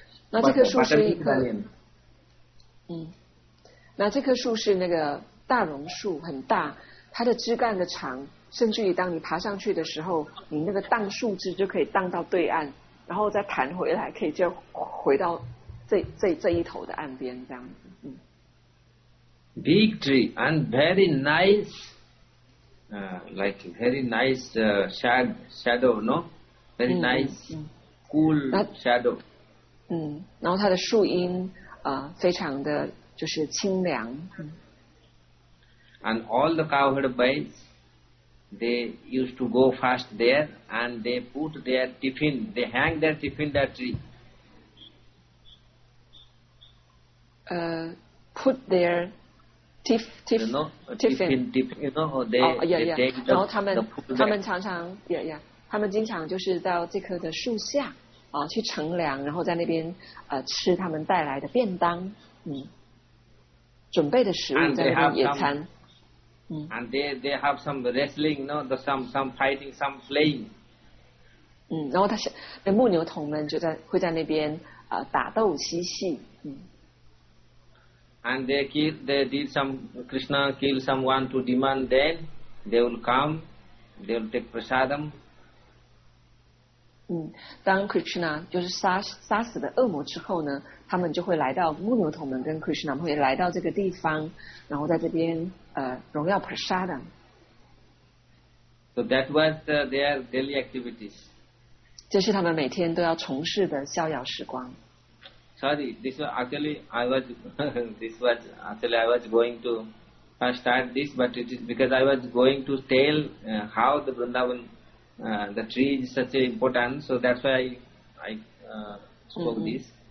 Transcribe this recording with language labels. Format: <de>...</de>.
<zh>那这棵树是一棵 那这棵树是那个大榕树，很大，它的枝干的长，甚至于当你爬上去的时候，你那个荡树枝就可以荡到对岸，然后再弹回来，可以就回到这一头的岸边这样子。</zh> <en>Big tree and very nice, like very nice shadow, no? Very nice, cool shadow.</en> <zh>然后它的树荫非常的就是清凉。</zh> <en>And all the cowherd boys. They used to go fast there and they put their tiffin, they hang their tiffin that tree. Put their tiffin. And they have some wrestling, you know, some fighting, some playing.</en> <zh>然后他是那牧牛童们就在会在那边打斗嬉戏。</zh> <en>And Krishna kill someone to demand then they will come, they will take prasadam.</en> <zh>当 Krishna 就是杀死的恶魔之后呢，他们就会来到牧牛童们跟 Krishna 会来到这个地方，然后在这边。荣耀 prasadam.</zh> <en>So that was their daily activities.</en> <zh>这是他们每天都要从事的逍遥时光。</zh> <en>Sorry, this was actually I was going to start this, but it is because I was going to tell how the Vrindavan the tree is such a important, so that's why I spoke this.</en>